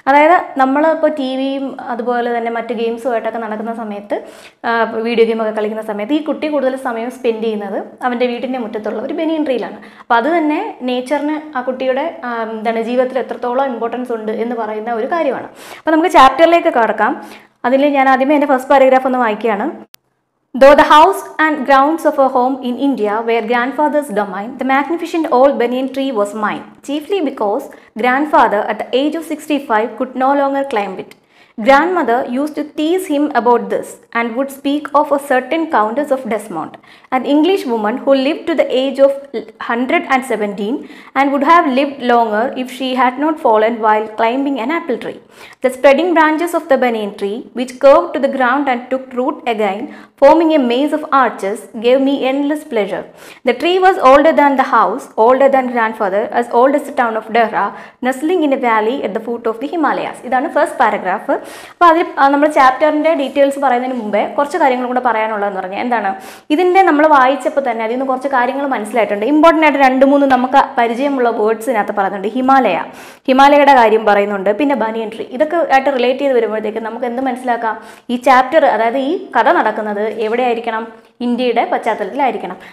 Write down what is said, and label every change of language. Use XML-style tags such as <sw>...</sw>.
<ml>അതായത് നമ്മളിപ്പോൾ ടി വിയും അതുപോലെ തന്നെ മറ്റ് ഗെയിംസുമായിട്ടൊക്കെ നടക്കുന്ന സമയത്ത്, വീഡിയോ ഗെയിമൊക്കെ കളിക്കുന്ന സമയത്ത് ഈ കുട്ടി കൂടുതൽ സമയം സ്പെൻഡ് ചെയ്യുന്നത് അവൻ്റെ വീട്ടിൻ്റെ മുറ്റത്തുള്ള ഒരു ബനിയൻ ട്രീയിലാണ്. അപ്പോൾ അത് തന്നെ നേച്ചറിന് ആ കുട്ടിയുടെ എന്താണ് ജീവിതത്തിൽ എത്രത്തോളം ഇമ്പോർട്ടൻസ് ഉണ്ട് എന്ന് പറയുന്ന ഒരു കാര്യമാണ്. അപ്പോൾ നമുക്ക് ചാപ്റ്ററിലേക്ക് കടക്കാം. അതിൽ ഞാൻ ആദ്യമേ എൻ്റെ ഫസ്റ്റ് പാരഗ്രാഫ് ഒന്ന് വായിക്കുകയാണ്.</ml> <en>Though the house and grounds of a home in India were grandfather's domain, the magnificent old banyan tree was mine, chiefly because grandfather at the age of 65 could no longer climb it. Grandmother used to tease him about this and would speak of a certain Countess of Desmond, an English woman who lived to the age of 117 and would have lived longer if she had not fallen while climbing an apple tree. The spreading branches of the banyan tree, which curved to the ground and took root again, forming a maze of arches, gave me endless pleasure. The tree was older than the house, older than grandfather, as old as the town of Dehra, nestling in a valley at the foot of the Himalayas. This is the first paragraph.</en> <ml>അപ്പോൾ അതിൽ നമ്മൾ ചാപ്റ്ററിൻ്റെ details പറയുന്നതിന് മുമ്പേ കുറച്ച് കാര്യങ്ങൾ കൂടെ പറയാനുള്ളതെന്ന് പറഞ്ഞാൽ എന്താണ്, ഇതിൻ്റെ നമ്മൾ വായിച്ചപ്പോൾ തന്നെ അതിൽ നിന്ന് കുറച്ച് കാര്യങ്ങൾ മനസ്സിലായിട്ടുണ്ട്. ഇമ്പോർട്ടൻ്റ് ആയിട്ട് രണ്ട് മൂന്ന് നമുക്ക് പരിചയമുള്ള വേർഡ്സിനകത്ത് പറയുന്നുണ്ട്. ഹിമാലയ, ഹിമാലയയുടെ കാര്യം പറയുന്നുണ്ട്, പിന്നെ ബനിയൻ ട്രീ, ഇതൊക്കെ ആയിട്ട് റിലേറ്റ് ചെയ്ത് വരുമ്പോഴത്തേക്ക് നമുക്ക് എന്ത് മനസ്സിലാക്കാം, ഈ ചാപ്റ്റർ അതായത് ഈ കഥ നടക്കുന്നത് എവിടെയായിരിക്കണം, ഇന്ത്യയുടെ പശ്ചാത്തലത്തിലായിരിക്കണം.</ml>